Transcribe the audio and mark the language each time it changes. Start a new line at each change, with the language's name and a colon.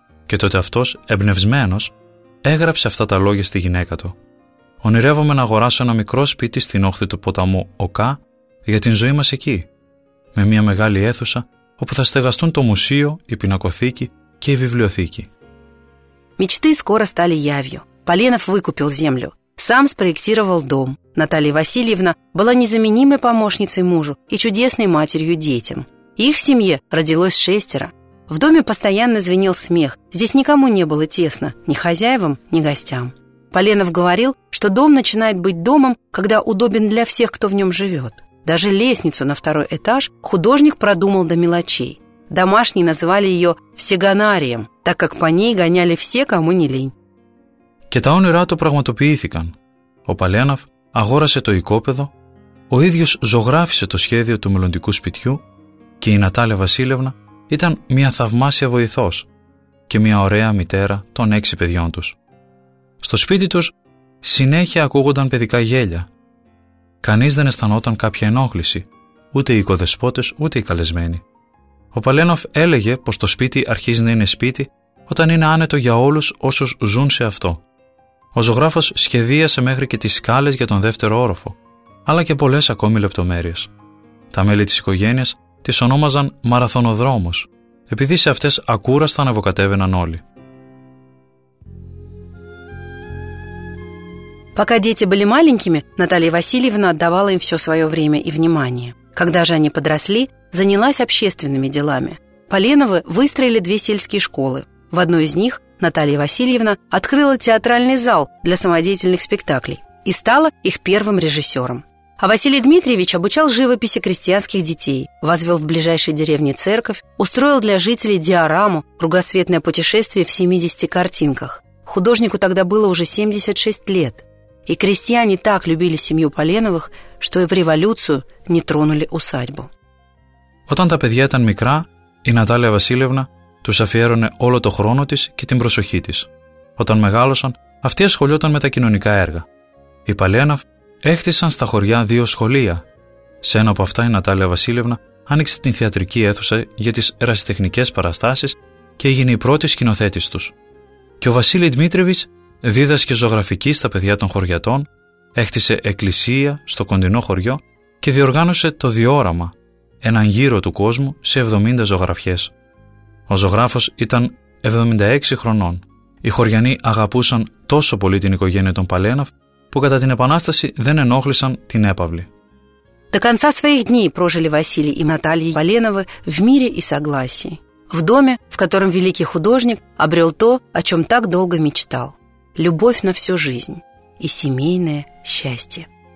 Greek: Και τότε αυτός, εμπνευσμένος, έγραψε αυτά τα λόγια στη γυναίκα του. «Ονειρεύομαι να αγοράσω ένα μικρό σπίτι στην όχθη του ποταμού Οκά για την ζωή μας εκεί. Με μια μεγάλη αίθουσα όπου θα στεγαστούν το μουσείο, η πινακοθήκη και η βιβλιοθήκη».
Russian: Мечты скоро стали явью. Поленов выкупил землю, сам спроектировал дом. Наталья Васильевна была незаменимой помощницей мужу и чудесной матерью детям. Их в семье родилось шестеро. В доме постоянно звенел смех. Здесь никому не было тесно, ни хозяевам, ни гостям. Поленов говорил, что дом начинает быть домом, когда удобен для всех, кто в нем живет. Даже лестницу на второй этаж художник продумал до мелочей. Домашние называли ее «всегонарием», так как по ней гоняли все, кому не лень.
Greek: Και τα όνειρά του πραγματοποιήθηκαν. Ο Παλένοφ αγόρασε το οικόπεδο, ο ίδιος ζωγράφισε το σχέδιο του μελλοντικού σπιτιού και η Νατάλια Βασίλευνα ήταν μια θαυμάσια βοηθός και μια ωραία μητέρα των έξι παιδιών τους. Στο σπίτι τους συνέχεια ακούγονταν παιδικά γέλια. Κανείς δεν αισθανόταν κάποια ενόχληση, ούτε οι οικοδεσπότες ούτε οι καλεσμένοι. Ο Παλένοφ έλεγε πως το σπίτι αρχίζει να είναι σπίτι όταν είναι άνετο για όλους όσους ζουν σε αυτό. Ο ζωγράφος σχεδίασε μέχρι και τις σκάλες για τον δεύτερο όροφο, αλλά και πολλές ακόμη λεπτομέρειες. Τα μέλη της οικογένειας τις ονόμαζαν «μαραθωνοδρόμους», επειδή σε αυτές ακούραστα ανεβοκατέβαιναν όλοι.
Russian: Пока дети были маленькими, Наталья Васильевна отдавала им все свое время и внимание. Когда же они подросли, занялась общественными делами. Поленовы выстроили две сельские школы. В одной из них Наталья Васильевна открыла театральный зал для самодеятельных спектаклей и стала их первым режиссером. А Василий Дмитриевич обучал живописи крестьянских детей, возвел в ближайшей деревне церковь, устроил для жителей диораму, кругосветное путешествие в 70 картинках. Художнику тогда было уже 76 лет. И крестьяне так любили семью Поленовых, что и в революцию не тронули усадьбу.
Greek: Όταν τα παιδιά ήταν μικρά, η Νατάλια Βασίλευνα τους αφιέρωνε όλο το χρόνο της και την προσοχή της. Όταν μεγάλωσαν, αυτοί ασχολιόταν με τα κοινωνικά έργα. Οι Παλέναφ έχτισαν στα χωριά δύο σχολεία. Σε ένα από αυτά η Νατάλια Βασίλευνα άνοιξε την θεατρική αίθουσα για τις ερασιτεχνικές παραστάσεις και έγινε η πρώτη σκηνοθέτης τους. Και ο Βασίλη Δημήτρεβιτς δίδασκε ζωγραφική στα παιδιά των χωριατών, έχτισε εκκλησία στο κοντινό χωριό και διοργάνωσε το Διόραμα, έναν γύρο του κόσμου σε 70 ζωγραφιές. Ο ζωγράφος ήταν 76 χρονών. Οι χωριανοί αγαπούσαν τόσο πολύ την οικογένεια των Παλέναφ που κατά την Επανάσταση δεν ενόχλησαν την έπαυλη.
Russian: До конца своих дней прожили Василий и Наталья Поленовы в мире и согласии. В доме, в котором великий художник обрел то, о чем так долго мечтал. Любовь на всю жизнь и семейное счастье.